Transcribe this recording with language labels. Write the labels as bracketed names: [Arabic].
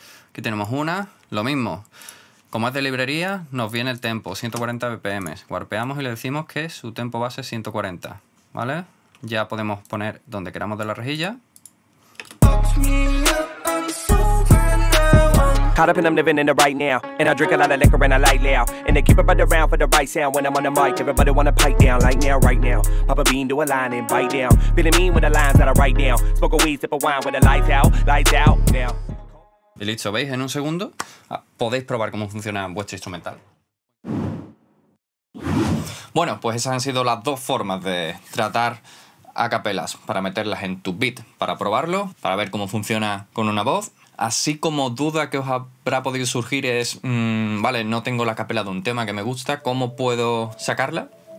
[Spanish] Aquí tenemos una, lo mismo. Como es de librería, nos viene el tempo, 140 bpm. Warpeamos y le decimos que su tempo base es 140, ¿vale? Ya podemos poner donde queramos de la rejilla. [English] Caught up and I'm living in the right now. And I drink a lot of liquor and I light loud. And they keep it by the round for the right sound. When I'm on the mic, everybody wanna pipe down. Like now, right now. Pop a bean, do a line and bite down. Feeling mean with the lines that I write down. Smoke a weed, sip a wine with the lights out now. [Spanish] Y listo, ¿veis? En un segundo podéis probar cómo funciona vuestro instrumental. Bueno, pues esas han sido las dos formas de tratar a capelas. Para meterlas en tu beat, para probarlo, para ver cómo funciona con una voz. Así como duda que os habrá podido surgir es, vale, no tengo la capela de un tema que me gusta, ¿cómo puedo sacarla?